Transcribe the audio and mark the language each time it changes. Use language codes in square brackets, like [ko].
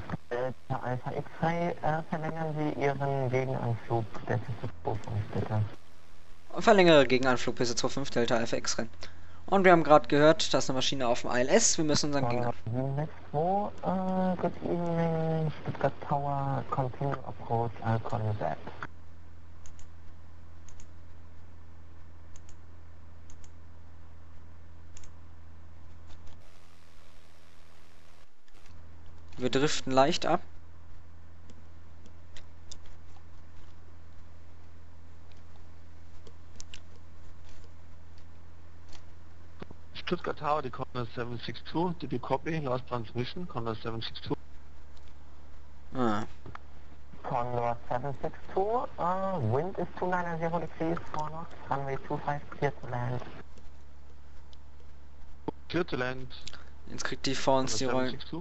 [en] Delta Alpha X-Ray, [de] verlängern Sie Ihren Gegenanflug, Delta 25, bitte. Verlängere Gegenanflug, Piste 25, Delta Alpha X-Ray. Und wir haben gerade gehört, da ist eine Maschine auf dem ILS, wir müssen unseren Gegenanflug. [en] Good evening, Stuttgart Tower, continue approach, I'll call you back. [de] Wir Wir driften leicht ab. [en] Stuttgart Tower, die Condor 762, did you copy? Last transmission, Condor 762. Condor 762, wind is 290 degrees, four knots, runway 25 clear to land. Clear to land. [de] Jetzt kriegt die vor uns die Rollen.